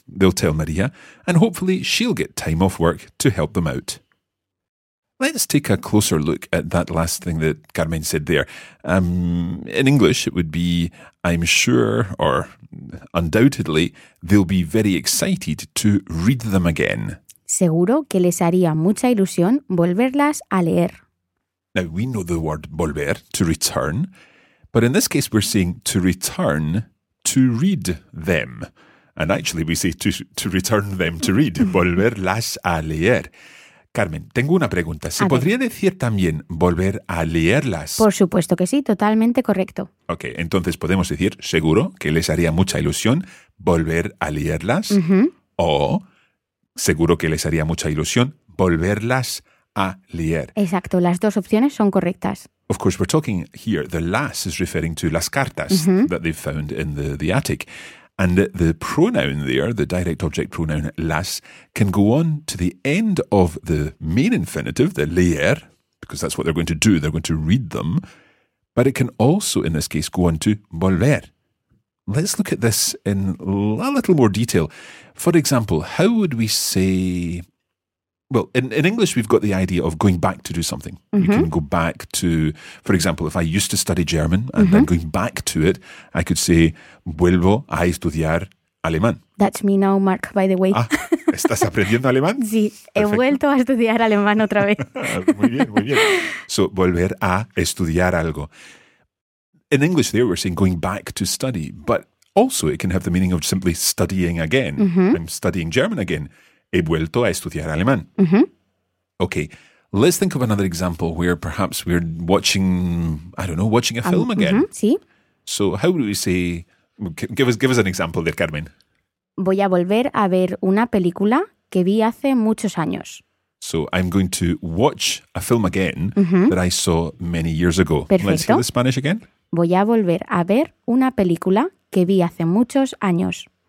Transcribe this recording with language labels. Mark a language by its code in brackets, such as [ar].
[en] They'll tell Maria, and hopefully she'll get time off work to help them out. Let's take a closer look at that last thing that Carmen said there. In English, it would be, I'm sure, or undoubtedly, they'll be very excited to read them again. [es] Seguro que les haría mucha ilusión volverlas a leer. [en] Now, we know the word volver, to return, but in this case, we're saying to return to read them. And actually, we say to return them to read, [es] volverlas a leer. Carmen, tengo una pregunta. ¿Se podría decir también volver a leerlas? Por supuesto que sí, totalmente correcto. Ok, entonces podemos decir, seguro que les haría mucha ilusión volver a leerlas. Uh-huh. O, seguro que les haría mucha ilusión volverlas a leer. Exacto, las dos opciones son correctas. [en] Of course, we're talking here, the las is referring to [es] las cartas [en] that they've found in the attic. And the pronoun there, the direct object pronoun las, can go on to the end of the main infinitive, the leer, because that's what they're going to do, they're going to read them. But it can also, in this case, go on to volver. Let's look at this in a little more detail. For example, how would we say... Well, in English, we've got the idea of going back to do something. Mm-hmm. You can go back to, for example, if I used to study German and then going back to it, I could say, [es] vuelvo a estudiar alemán. [en] That's me now, Mark, by the way. [es] Ah, ¿estás aprendiendo alemán? Sí, he vuelto a estudiar alemán otra vez. Muy bien. So, volver a estudiar algo. [en] In English there, we're saying going back to study, but also it can have the meaning of simply studying again. Mm-hmm. I'm studying German again. [es] He vuelto a estudiar alemán. [en] Okay, let's think of another example where perhaps we're watching, I don't know, watching a film again. [es] Sí. [en] So how would we say, give us an example there, Carmen. [es] Voy a volver a ver una película que vi hace muchos años. [en] So I'm going to watch a film again that I saw many years ago. [es] Perfecto. [en] Let's hear the Spanish again. [es] Voy a volver a ver una película que vi hace muchos años.